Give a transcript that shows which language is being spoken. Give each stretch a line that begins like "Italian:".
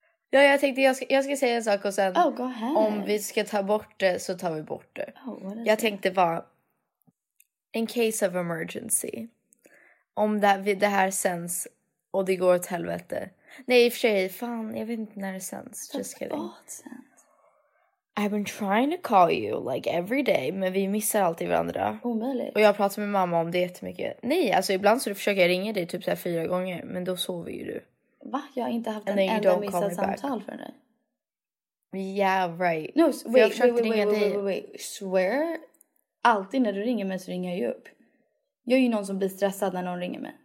Swedish: Ja, jag tänkte jag ska säga en sak och sen...
English: Oh, go ahead.
Swedish: Om vi ska ta bort det så tar vi bort det.
English: Oh, what is
Swedish: jag
English: that?
Swedish: Tänkte bara...
English: In case of emergency.
Swedish: Om det här sänds och det går åt helvete... Nej, i och för sig, fan, jag vet inte när det sänds.
English: Just kidding. I've been trying to call you, like, every day.
Swedish: Men vi missar alltid varandra. Omöjligt. Och jag pratar med mamma om det jättemycket. Nej, alltså ibland så försöker jag ringa dig typ så här 4 gånger. Men då sover ju du. Va? Jag har inte haft en enda missad samtal för dig.
English: Yeah, right. No, wait. Swear?
Swedish: Alltid när du ringer mig så ringer jag ju upp. Jag är ju någon som blir stressad när någon ringer mig.